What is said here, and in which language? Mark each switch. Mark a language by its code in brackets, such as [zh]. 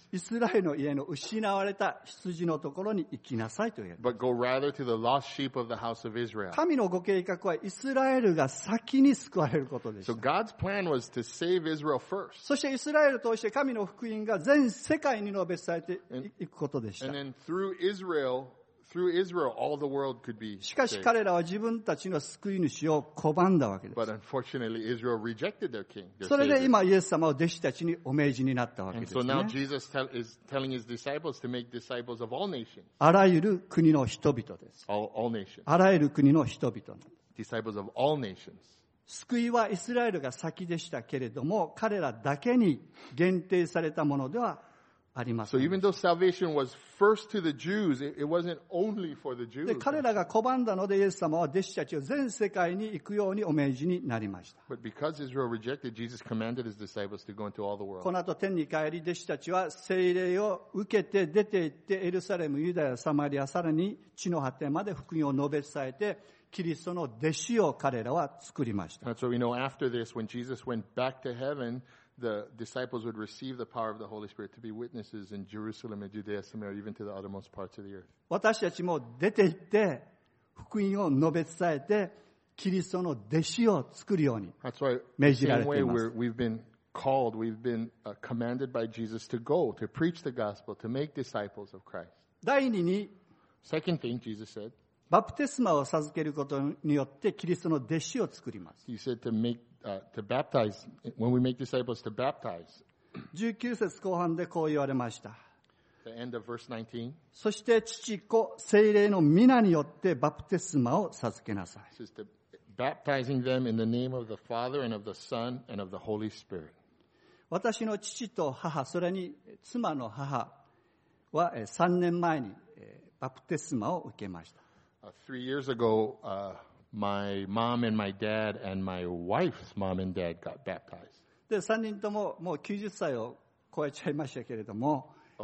[ja] イスラエルの家の失われた羊のところに行きなさいと言われた。 [en] But go rather to the lost sheep of the house of Israel. [ja] 神のご計画はイスラエルが先に救われることでした。 [en] So God's plan was to save Israel first. [ja] そしてイスラエルを通して神の福音が全世界に述べされていくことでした。 [en] And then through Israel,Through Israel, all the world could be saved. [ja] しかし彼らは自分たちの救い主を拒んだわけです。 [en] But unfortunately, Israel rejected their king. [ja] それで今イエス様を弟子たちにお命じになったわけですね。 [en] And so now Jesus is telling his disciples to make disciples of all nations. [ja] あらゆる国の人々です。 [en] All nations. [ja] あらゆる国の人々。 [en] Disciples of all nations. [ja] 救いはイスラエルが先でしたけれども、彼らだけに限定されたものではない。 [en] So even though salvation was first to the Jews, it wasn't only for the Jews. [ja] で、彼らが拒んだので、イエス様は弟子たちを全世界に行くようにお命じになりました。 [en] But because Israel rejected, Jesus commanded his disciples to go into all the world. [ja] この後天に帰り、弟子たちは聖霊を受けて出て行って、エルサレム、ユダヤ、サマリア、さらに地の果てまで福音を述べ伝えて、キリストの弟子を彼らは作りました。 [en] And so we know after this, when Jesus went back to heaven,The disciples would receive the power of the Holy Spirit to be witnesses in Jerusalem and Judea, Samaria, even to the uttermost parts of the earth. [ja] 私たちも出て行って福音を述べ伝えてキリストの弟子を作るように命じられています。 [en] That's right. The same way we've been called, we've been commanded by Jesus to go, to preach the gospel, to make disciples of Christ. [ja] 第二に、 [en] Second thing Jesus said, [ja] バプテスマを授けることによってキリストの弟子を作ります。 [en] He said to make to baptize, when we make disciples to baptize. [ja] 19節後半でこう言われました。 [en] The end of verse 19. [ja] そして父子聖霊の皆によってバプテスマを授けなさい。 [en] Says to baptizing them in the name of the Father and of the Son and of the Holy Spirit. [ja] 私の父と母、それに妻の母は3年前にバプテスマを受けました。 [en] Three years ago, my mom and my dad and my wife's mom and dad got baptized. [ja] で、3人とももう90歳を超えちゃいましたけれども、